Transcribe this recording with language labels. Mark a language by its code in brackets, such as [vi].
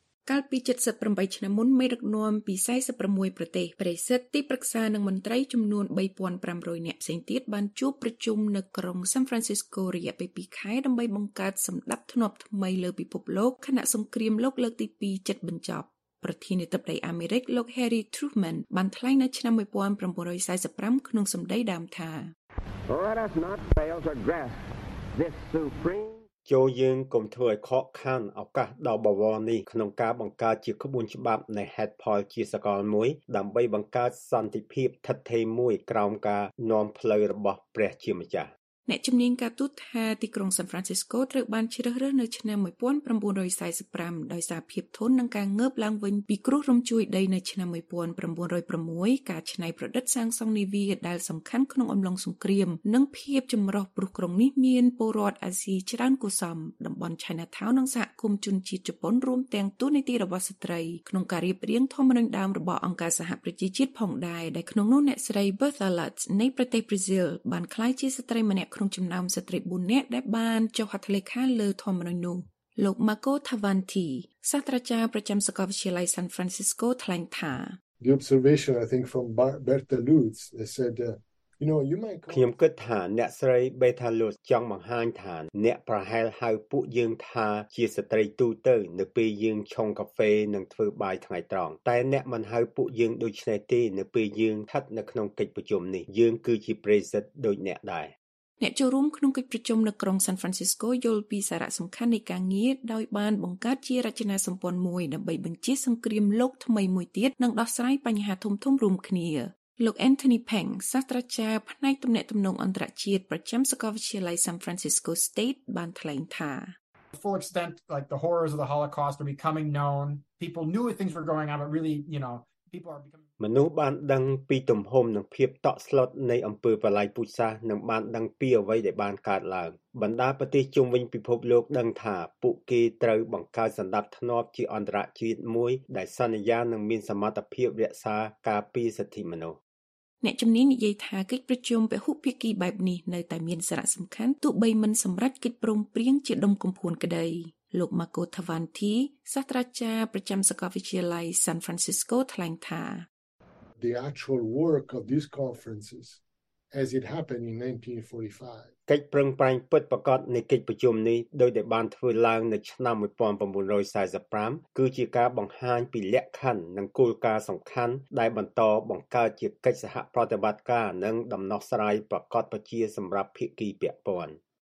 [km] កាលពី78ឆ្នាំមុនមេដឹកនាំពី46ប្រទេសប្រេសិតទីប្រឹក្សានិងមន្ត្រីចំនួន 3,500 នាក់ផ្សេងទៀតបានជួបប្រជុំនៅក្រុង San Francisco រយៈពេល2ខែដើម្បីបង្កើតសម្ដាប់ធ្នាប់ថ្មីលើពិភពលោកខណៈសង្គ្រាមលោកលើកទី2ចិត្តបញ្ចប់ប្រធានាធិបតីអាមេរិកលោក Harry Truman បានថ្លែងនៅឆ្នាំ1945ក្នុងសម្ដីដើមថា [en] Let us not fail to grasp this supreme ជ [km] ចូលយើងកុំធ្វើឲ្យខកខានឱកាសដ៏បវរនេះក្នុងការបង្កើតជាក្បួនច្បាប់នៃហេតុផលជាសកលមួយដើម្បីបង្កើតសន្តិភាពឋិតថេរមួយក្រោមការនាំផ្លូវរបស់ព្រះជាម្ចាស់អ្នកជំនាញការទូតថាទីក្រុង San Francisco ត្រូវបានជ្រើសរើសនៅឆ្នាំ1945ដោយសារភាពធន់និងការងើបឡើងវិញពីគ្រោះរំជួយដីនៅឆ្នាំ1906ការច្នៃប្រឌិតសាងសង់នាវាដែលសំខាន់ក្នុងអំឡុងសង្គ្រាមនិងភាពចម្រុះព្រោះក្រុងនេះមានពលរដ្ឋអាស៊ីច្រើនកុសម តំបន់ Chinatown និងសហគមន៍ជនជាតិជប៉ុនរួមទាំងទូនីតិរបស់ស្ត្រីក្នុងការរៀបរៀងធម្មនុញ្ញដើមរបស់អង្គការសហប្រជាជាតិផងដែរដែលក្នុងនោះអ្នកស្រី Bertha Lutz នៃប្រទេសប្រ៊ាហ្ស៊ីលបានក្លាយជាស្ត្រីម្នាក់ក្នុងចំណោមស្ត្រី4នាក់ដែលបានចុះហត្ថលេខាលើធម្មនុញ្ញនោះលោក Marco Tavanti សាស្ត្រាចារ្យប្រចាំសាកលវិទ្យាល័យ San Francisco ថ្លែងថា [en] The observation I think from Bertha Lutz they said you know you might [km] ខ្ញុំគិតថាអ្នកស្រី Bertha Lutz ចង់បង្ហាញថាអ្នកប្រហែលហៅពួកយើងថាជាស្ត្រីទូទៅនៅពេលយើងឆុងកាហ្វេនិងធ្វើបាយថ្ងៃត្រង់តែអ្នកមិនហៅពួកយើងដូចនេះទេនៅពេលយើងស្ថិតនៅក្នុងកិច្ចប្រជុំនេះយើងគឺជាប្រធានដូចអ្នកដែរ អ្នកចូលរួមក្នុងកិច្ចប្រជុំនៅក្រុង San Francisco យល់ពីសារៈសំខាន់នៃការងារដោយបានបង្កើតជារចនាសម្ព័ន្ធមួយដើម្បីបញ្ជាសង្គ្រាមលោកថ្មីមួយទៀតនិងដោះស្រាយបញ្ហាធំធំរួមគ្នាលោក Anthony Peng សាស្ត្រាចារ្យផ្នែកទំនាក់ទំនងអន្តរជាតិប្រចាំសាកលវិទ្យាល័យ San Francisco State បានថ្លែងថា [en] Full extent like the horrors of the Holocaust are becoming known people knew things were going on but really you know people are becoming [km] មនុស្សបានដឹងពីទំហំនិងភាពតក់ស្លុតនៃអំពើប្រល័យពូជសាសន៍និងបានដឹងពីអ្វីដែលបានកើតឡើងបណ្ដាប្រទេសជុំវិញពិភពលោកដឹងថាពួកគេត្រូវបង្កើតសន្តិភាពជាអន្តរជាតិមួយដែលសន្យានឹងមានសមត្ថភាពរក្សាការពារសិទ្ធិមនុស្ស អ្នកជំនាញនិយាយថាកិច្ចប្រជុំពហុភាគីបែបនេះនៅតែមានសារៈសំខាន់ទោះបីមិនសម្រាប់កិច្ចព្រមព្រៀងជាដុំកំភួនក្តីលោក Marco Tavanti សាស្ត្រាចារ្យប្រចាំសាកលវិទ្យាល័យ San Francisco ថ្លែងថា [en] The actual work of these conferences as it happened in 1945 [km] កិច្ចប្រឹងប្រែងពិតប្រាកដនៃកិច្ចប្រជុំនេះដោយតែបានធ្វើឡើងនៅឆ្នាំ1945គឺជាការបង្ហាញពីលក្ខណ្ឌនិងគោលការណ៍សំខាន់ដែលបន្តបង្កើតជាកិច្ចសហប្រតិបត្តិការនិងដំណោះស្រាយប្រកបជាសម្រាប់ភាគីពាក់ព័ន្ធ